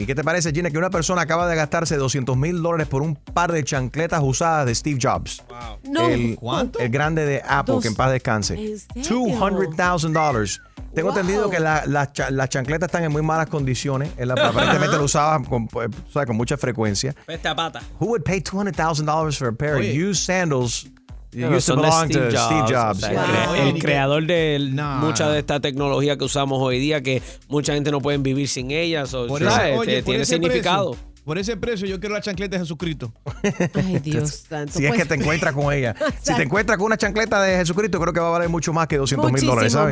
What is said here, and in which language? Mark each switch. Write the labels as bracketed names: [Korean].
[Spanish] ¿Y qué te parece, Gina, que una persona acaba de gastarse $200,000 por un par de chancletas usadas de Steve Jobs? Wow. No. ¿Cuánto? El grande de Apple, que en paz descanse. $200,000. Tengo wow. entendido que las chancletas están en muy malas condiciones. Aparentemente lo usaba con mucha frecuencia. Peste a pata. [English] Who would pay $200,000 for a pair of used sandals? No, used to belong to Steve Jobs. [Spanish] O sea, wow. El creador de mucha de esta tecnología que usamos hoy día, que mucha gente no puede vivir sin ellas. O por sabes, oye, tiene significado. Precio. Por ese precio yo quiero la chancleta de Jesucristo. Ay, Dios santo. Si es que te encuentras con ella. Si te encuentras con una chancleta de Jesucristo, creo que va a valer mucho más que $200,000, ¿sabes?